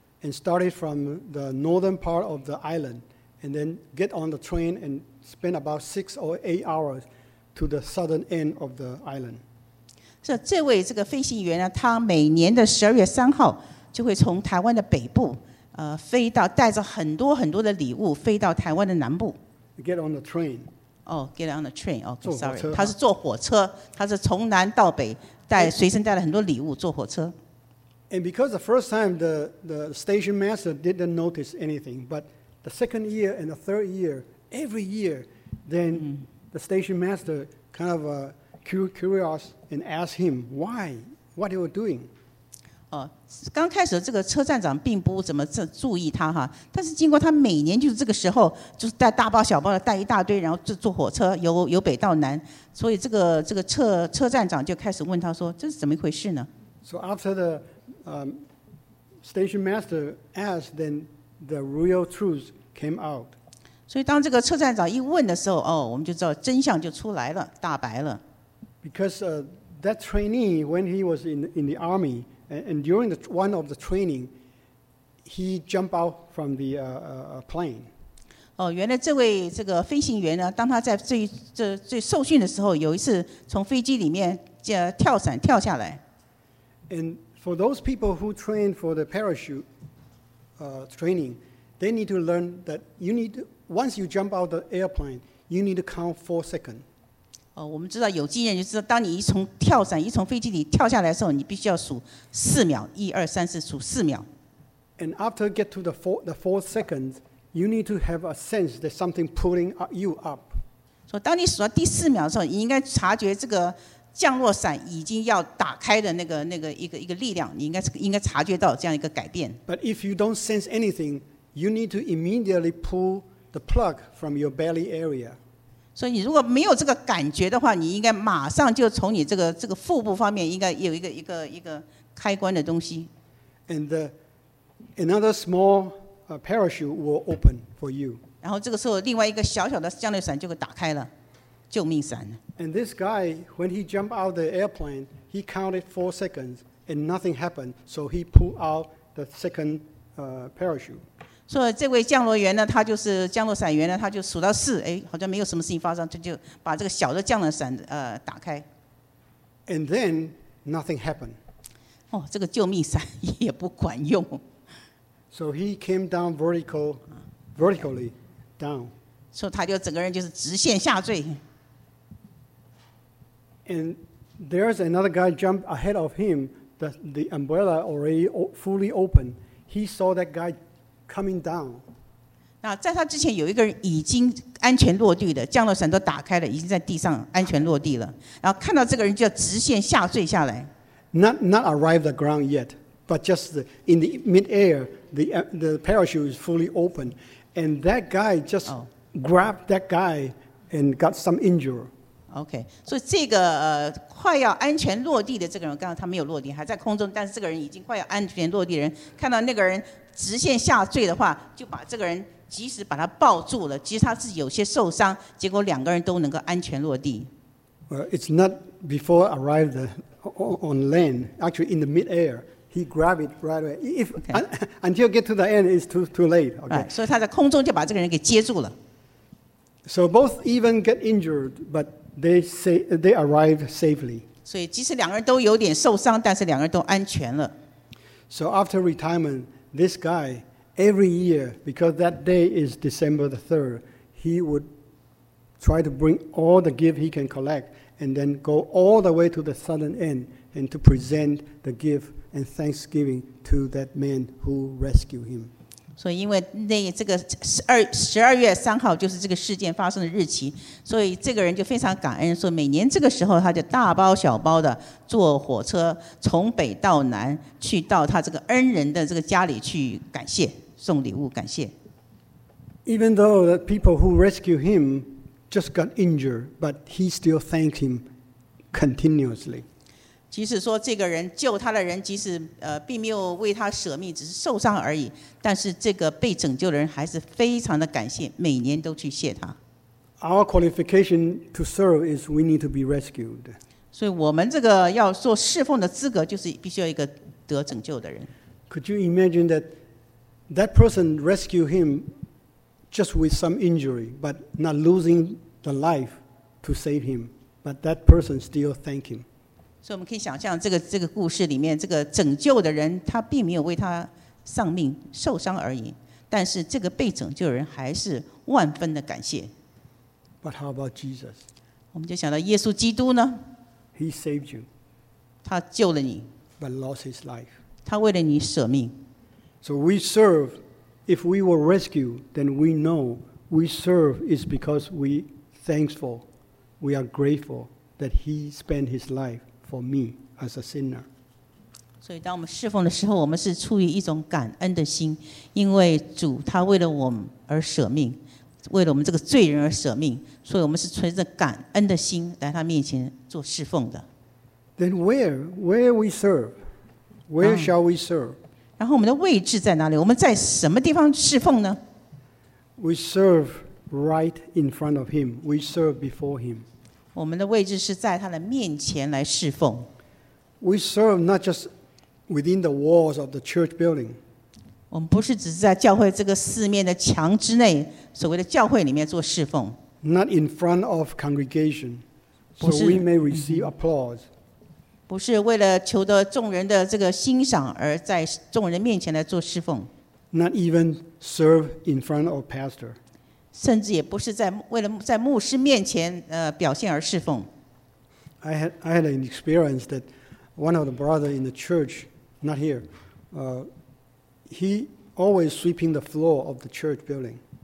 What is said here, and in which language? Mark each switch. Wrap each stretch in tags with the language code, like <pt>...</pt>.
<en>And started from the northern part of the island, and then get on the train and spend about 6 or 8 hours to the southern end of the island.</en> <zh>So, 这位这个飞行员呢，他每年的十二月三号就会从台湾的北部，飞到带着很多很多的礼物飞到台湾的南部。</zh> <en>Get on the train. Oh, get on the train. Oh, sorry.</en> <zh>他是坐火车，他是从南到北带随身带了很多礼物坐火车。</zh> <en>And because the first time the station master didn't notice anything, but the second year and the third year, every year, then the station master kind of curious and asked him why, what he was doing.</en> <zh>哦，刚开始这个车站长并不怎么注意他哈，但是经过他每年就是这个时候，就是带大包小包的带一大堆，然后坐火车由北到南，所以这个车站长就开始问他说，这是怎么一回事呢？</zh> <en>So after thestation master asked, then the real truth came out.</en> <zh>所以当这个车站长一问的时候，哦，我们就知道真相就出来了，大白了。</zh> <en>Because that trainee, when he was in the army, and during the one of the training, he jumped out from the plane.</en> <zh>哦，原来这位这个飞行员呢，当他在最受训的时候，有一次从飞机里面跳伞跳下来。</zh> <en>And for those people who train for the parachute training, they need to learn that once you jump out the airplane, you need to count 4 seconds.</en> <zh>哦，我们知道有经验就知道，当你一从飞机里跳下来的时候，你必须要数四秒，一二三四，数四秒。</zh> <en>And after get to the fourth seconds, you need to have a sense that something pulling you up.</en> <zh>所以当你数到第四秒的时候，你应该察觉这个。降落伞已经要打开的那个一个力量，你应该察觉到这样一个改变。</zh> <en>But if you don't sense anything, you need to immediately pull the plug from your belly area.</en> <zh>所以你如果没有这个感觉的话，你应该马上就从你这个腹部方面应该有一个开关的东西。</zh> <en>And another small parachute will open for you.</en> <zh>然后这个时候，另外一个小小的降落伞就会打开了。救命伞。</zh> <en>And this guy, when he jumped out the airplane, he counted 4 seconds and nothing happened, so he pulled out the second parachute.</en> <zh>所以这位降落员呢，他就是降落伞员呢，他就数到四，哎，好像没有什么事情发生，他就把这个小的降落伞打开。</zh> <en>And then nothing happened.</en> <zh>哦，这个救命伞也不管用。</zh> <en>So he came down vertically down.</en> <zh>所以他就整个人就是直线下坠。</zh> <en>And there's another guy jumped ahead of him. The umbrella already fully open. He saw that guy coming down.</en> <zh>那在他之前有一个人已经安全落地了，降落伞都打开了，已经在地上安全落地了。然后看到这个人就直线下坠下来。</zh> <en>Not arrived at ground yet, but just in the mid air, the parachute is fully open, And that guy just grabbed that guy and got some injury.</en> <zh>Okay, 所以这个快要安全落地的这个人，刚刚他没有落地，还在空中，但是这个人已经快要安全落地的人，看到那个人直线下坠的话，就把这个人及时把他抱住了，其实他自己有些受伤，结果两个人都能够安全落地。</zh> <en>Well, it's not before arrived on land, actually in the mid-air. He grabbed it right away. If until get to the end, it's too late. Okay. Right. So he</en> <zh>在空中就把这个人给接住了。</zh> <en>So both even get injured, but they arrive safely.</en> <zh>所以即使两个人都有点受伤，但是两个人都安全了。</zh> <en>So after retirement, this guy every year, because that day is December the 3rd, he would try to bring all the gift he can collect, and then go all the way to the southern end and to present the gift. And thanksgiving to that man who rescued him. So, because that</en> <zh>12月3号就是这个事件发生的日期，所以这个人就非常感恩，说每年这个时候他就大包小包的坐火车从北到南去到他这个恩人的这个家里去感谢送礼物，感谢。</zh> <en>Even though the people who rescued him just got injured, but he still thanked him continuously.</en> <zh>即使说这个人救他的人，即使并没有为他舍命，只是受伤而已，但是这个被拯救的人还是非常的感谢，每年都去谢他。</zh> <en>Our qualification to serve is we need to be rescued.</en> <zh>所以我们这个要做侍奉的资格，就是必须要一个得拯救的人。</zh> <en>Could you imagine that person rescued him just with some injury, but not losing the life to save him, but that person still thanked him?</en> <zh>所以我们可以想象这个故事里面，这个拯救的人他并没有为他丧命受伤而已，但是这个被拯救的人还是万分的感谢。</zh> <en>But how about Jesus?</en> <zh>我们就想到耶稣基督呢</zh> <en>？He saved you.</en> <zh>他救了你。</zh> <en>But lost his life.</en> <zh>他为了你舍命。</zh> <en>So we serve. If we were rescued, then we know we serve is because we thankful, we are grateful that he spent his life. For me, as a sinner.</en> <zh>所以当我们侍奉的时候，我们是出于一种感恩的心，因为主他为了我们而舍命，为了我们这个罪人而舍命，所以我们是存着感恩的心来他面前做侍奉的。</zh> <en>Then where we serve? Where shall we serve?</en> <zh>然后我们的位置在哪里？我们在什么地方侍奉呢？</zh> <en>We serve right in front of him. We serve before him.</en> <zh>我们的位置是在他的面前来侍奉。</zh> <en>We serve not just within the walls of the church building.</en> <zh>我们不是只是在教会这个四面的墙之内，所谓的教会里面做侍奉。</zh> <en>Not in front of congregation, so we may receive applause.</en> <zh>不是为了求得众人的这个欣赏而在众人面前来做侍奉。</zh> <en>Not even serve in front of pastor.</en> <zh>甚至也不是在为了在牧师面前表现而侍奉。</zh> <en>I had an experience that one of the brothers in the church, not here, he always sweeping the floor of the church building.</en>